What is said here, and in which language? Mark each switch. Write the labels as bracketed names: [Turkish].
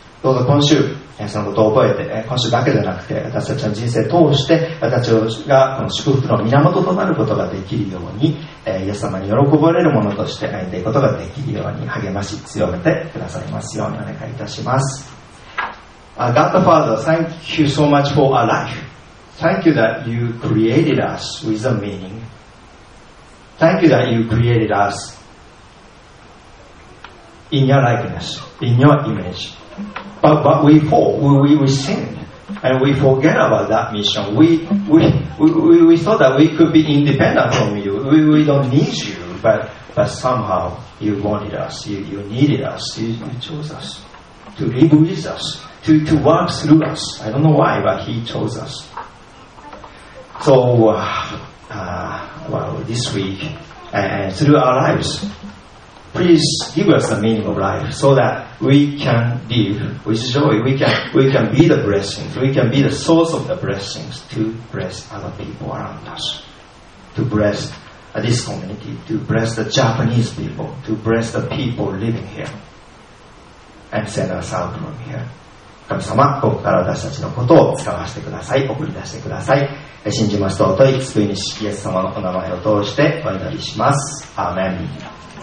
[Japanese] どうぞ今週、そのことを覚えて、今週だけでなくて私たちの人生を通して私たちがこの祝福の源となることができるように、イエス様に喜ばれるものとして歩んでいくことができるように励まし強めてくださいますようにお願いいたします。 [English] God the Father, thank you so much for our life. Thank you that you created us with a meaning. Thank you that you created us in your likeness, in your image. But we fall, we sin, and we forget about that mission. We thought that we could be independent from you. We don't need you, but somehow you wanted us, you needed us, you chose us to live with us, to work through us. I don't know why, but he chose us. So,this week and through our lives, please give us the meaning of life so that we can live with joy, we can be the blessings, we can be the source of the blessings to bless other people around us, to bless this community, to bless the Japanese people, to bless the people living here and send us out from here. [Japanese] 神様、ここから私たちのことを使わせてください、送り出してください。信じますと、救い主イエス様のお名前を通してお祈りします。アーメン。